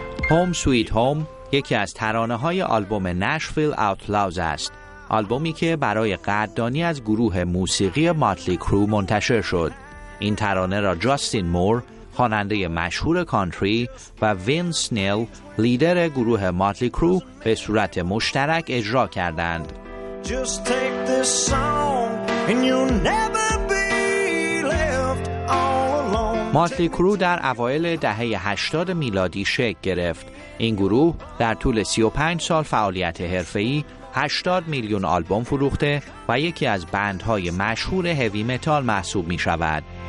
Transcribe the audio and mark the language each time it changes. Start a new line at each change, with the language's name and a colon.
Persian: هوم سویت هوم یکی از ترانه های آلبوم نشویل آوتلاوز است، آلبومی که برای قدردانی از گروه موسیقی ماتلی کرو منتشر شد. این ترانه را جاستین مور، خواننده مشهور کانتری، و وین سنیل، لیدر گروه ماتلی کرو به صورت مشترک اجرا کردند.
English: Just take this song and you'll never be left all alone.
Persian: ماتلی کرو در اوائل دهه 80 میلادی شکل گرفت. این گروه در طول 35 سال فعالیت حرفه‌ای 80 میلیون آلبوم فروخته و یکی از بندهای مشهور هوی متال محسوب می شود.